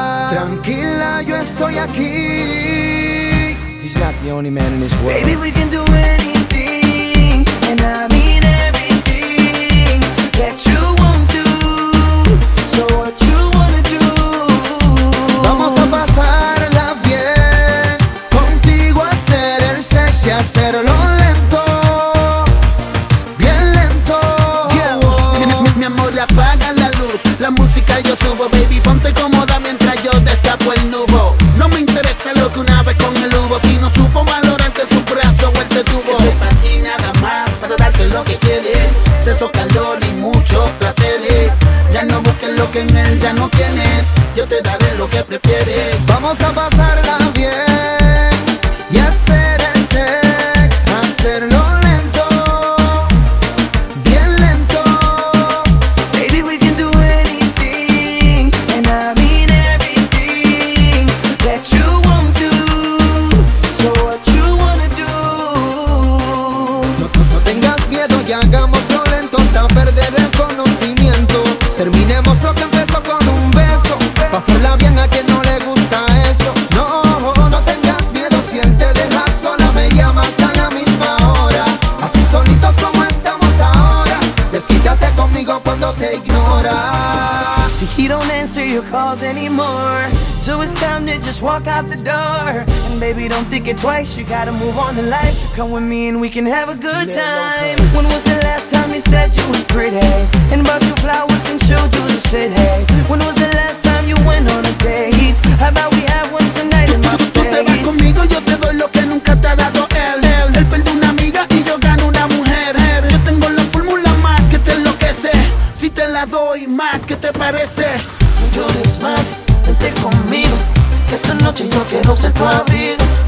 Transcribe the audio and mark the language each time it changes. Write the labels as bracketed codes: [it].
[es] Tranquila, yo estoy aquí. [en] He's not the only man in this world. Baby, we can do anything, and I mean everything that you want to. So what you wanna do? [es] Vamos a pasarla bien contigo, hacer el sexy, hacerlo lento, bien lento. Yeah, oh. Mi amor, apaga la luz, la música yo subo, baby, ponte cómoda mientras yo destapo el nubo. No me interesa lo que una vez con el hubo, si no supo valorarte su brazo o el detuvo. Que te fascina nada más para darte lo que quieres, sexo, calor y muchos placeres. Ya no busques lo que en él ya no tienes, yo te daré lo que prefieres. Vamos a pasarla bien y hacer el sex, hacerlo lento, bien lento. [en] Baby, we can do anything, and I mean everything that you want to. So what you wanna do? [es] No tengas miedo y hagámoslo lento hasta perder el conocimiento. Terminemos lo que empezó con un beso, pasarla bien a quien no le gusta eso. No tengas miedo, si él te deja sola, me llamas a la misma hora. Así solitos como estamos ahora, desquítate conmigo cuando te ignora. [en] See, he don't answer your calls anymore, so it's time to just walk out the door. And baby, don't think it twice, you gotta move on to life. Come with me and we can have a good time. When was the last time he said you was pretty and bought you flowers and showed you the city? When was the last time you went on a date? How about we have one tonight in my place? [es] Tú te vas conmigo, yo te doy lo que nunca te ha dado él. Él perdió una amiga y yo gano una mujer. Yo tengo la fórmula más que te enloquece. Si te la doy, más, ¿qué te parece? No llores más, vente conmigo, que esta noche yo quiero ser tu abrigo.